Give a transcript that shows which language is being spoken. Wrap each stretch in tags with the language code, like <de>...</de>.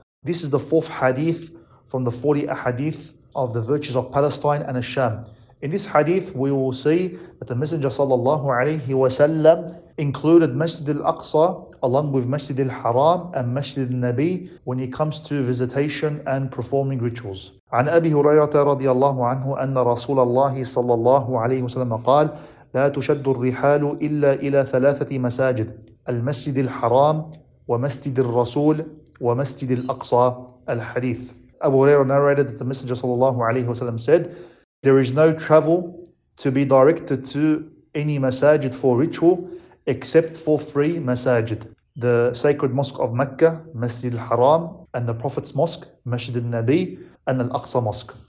<en>This is the fourth hadith from the 40 hadith of the virtues of Palestine and Al-Sham. In this hadith, we will see that the Messenger sallallahu alayhi wa sallam included Masjid al-Aqsa along with Masjid al-Haram and Masjid al-Nabi when he comes to visitation and performing rituals.</en> <ar>عن أبي هريرة رضي الله عنه أن رسول الله صلى الله عليه وسلم قال لا تشد الرحال إلا إلى ثلاثة مساجد المسجد الحرام ومسجد الرسول ومسجد الأقصى الحديث.</ar> <en>أبو هريرة narrated that the Messenger صلى الله عليه وسلم said there is no travel to be directed to any masajid for ritual except for three masajid: the sacred mosque of Mecca, Masjid al-Haram, and the Prophet's mosque, Masjid al-Nabi, and Al-Aqsa mosque.</en>